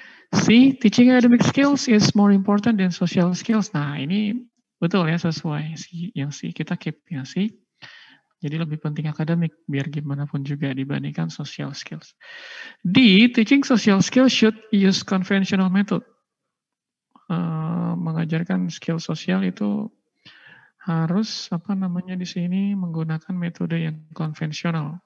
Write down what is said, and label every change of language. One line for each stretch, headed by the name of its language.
English: C, teaching academic skills is more important than social skills.
Indonesian: Nah, ini betul ya, sesuai yang C, kita keep yang C. Jadi lebih penting akademik biar gimana pun juga dibandingkan social skills.
English: D, teaching social skills should use conventional method.
Indonesian: Mengajarkan skill sosial itu harus di sini menggunakan metode yang konvensional.